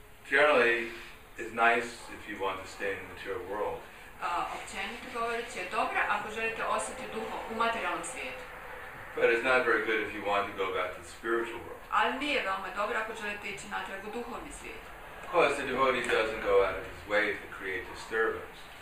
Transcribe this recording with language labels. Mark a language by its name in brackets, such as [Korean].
[English] Generally, it's nice if you want to stay in the material world. [Croatian] Općenito govoreći je dobro ako želite osjetiti duho u materijalnom svijetu. [English] But it's not very good if you want to go back to the spiritual world. [Croatian] Ali nije veoma dobro ako želite ići natrag u duhovni svijet. [English] Because the devotee doesn't go out of his way to create disturbance.